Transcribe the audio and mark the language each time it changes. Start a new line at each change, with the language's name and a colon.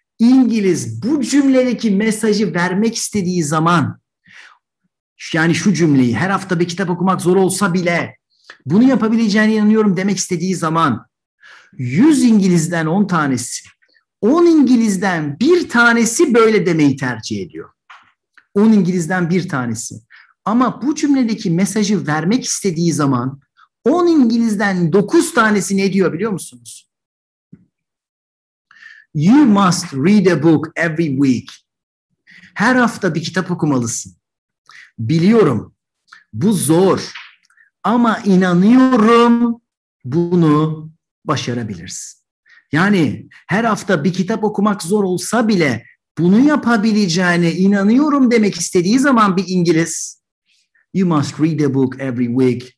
Turkish: İngiliz bu cümledeki mesajı vermek istediği zaman, yani şu cümleyi, her hafta bir kitap okumak zor olsa bile bunu yapabileceğine inanıyorum demek istediği zaman, 100 İngiliz'den 10 tanesi, 10 İngiliz'den bir tanesi böyle demeyi tercih ediyor. 10 İngiliz'den bir tanesi. Ama bu cümledeki mesajı vermek istediği zaman 10 İngiliz'den 9 tanesi ne diyor biliyor musunuz?
English: You must read a book every week.
Turkish: Her hafta bir kitap okumalısın. Biliyorum, bu zor ama inanıyorum bunu başarabiliriz. Yani her hafta bir kitap okumak zor olsa bile bunu yapabileceğine inanıyorum demek istediği zaman bir İngiliz,
English: you must read a book every week.